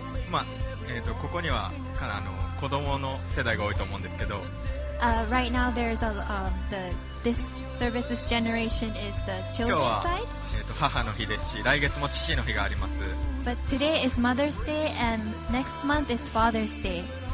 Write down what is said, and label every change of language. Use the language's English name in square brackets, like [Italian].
[Japanese] まあここにはかなり子供の世代が多いと思うんですけど、 [English] right now there's a this services generation is the children's side. [Japanese] 今日は母の日ですし、来月も父の日があります。 [English] But today is Mother's Day and next month is Father's Day.